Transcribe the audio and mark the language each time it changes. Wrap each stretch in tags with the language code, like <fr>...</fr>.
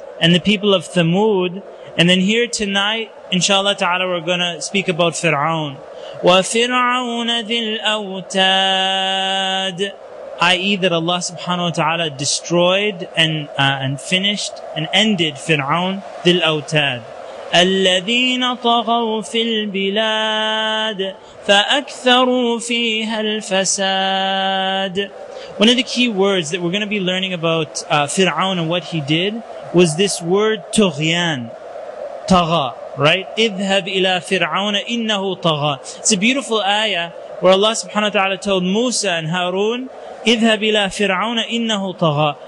<en>And the people of Thamud. And then here tonight, inshallah ta'ala, we're gonna speak about Firawn.</en> <ar>وَفِرْعَوْنَ ذِي الْأَوْتَادِ. I.e.</ar> <en>that Allah subhanahu wa ta'ala destroyed and finished and ended Firawn,</en> <ar>ذِي الْأَوْتَادِ. الذين طغوا في البلاد فأكثروا فيها الفساد.</ar> <en>One of the key words that we're going to be learning about Fir'aun and what he did was this word تغيان.</en> <ar>طغى, right? اذهب إلى فرعون إنه طغى.</ar> <en>It's a beautiful ayah where Allah subhanahu wa ta'ala told Musa and Harun,</en> <ar>اذهب إلى فرعون إنه طغى.</ar>